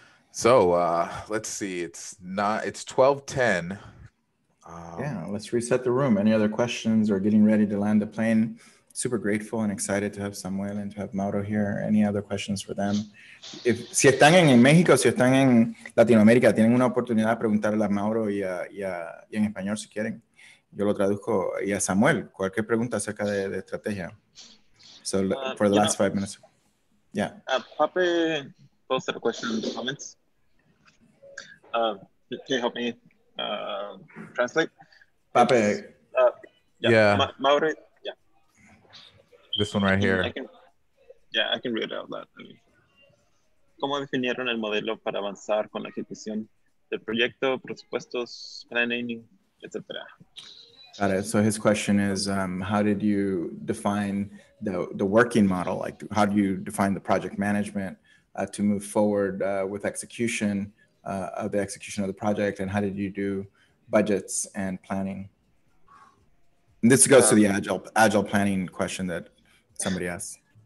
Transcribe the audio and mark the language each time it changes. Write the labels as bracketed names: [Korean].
[English] So let's see. It's 12:10. Yeah, let's reset the room. Any other questions or getting ready to land the plane? Super grateful and excited to have Samuel and to have Mauro here. Any other questions for them? [Spanish] If si están en México, si están en Latinoamérica, tienen una oportunidad de preguntarle a Mauro y en español si quieren. Yo lo traduzco y a Samuel, cualquier pregunta acerca de estrategia. [English] So for the last 5 minutes. Yeah. Papi, both have a question in the comments. Can you help me translate? Papi. Mauro. This one right here. I can read it out loud. [Spanish] ¿Cómo definieron el modelo para avanzar con la ejecución del proyecto, presupuestos, planning, etc.? [English] Got it. So his question is, how did you define the working model? Like, how do you define the project management to move forward with execution of the execution of the project? And how did you do budgets and planning? And this goes to the agile planning question that somebody asked.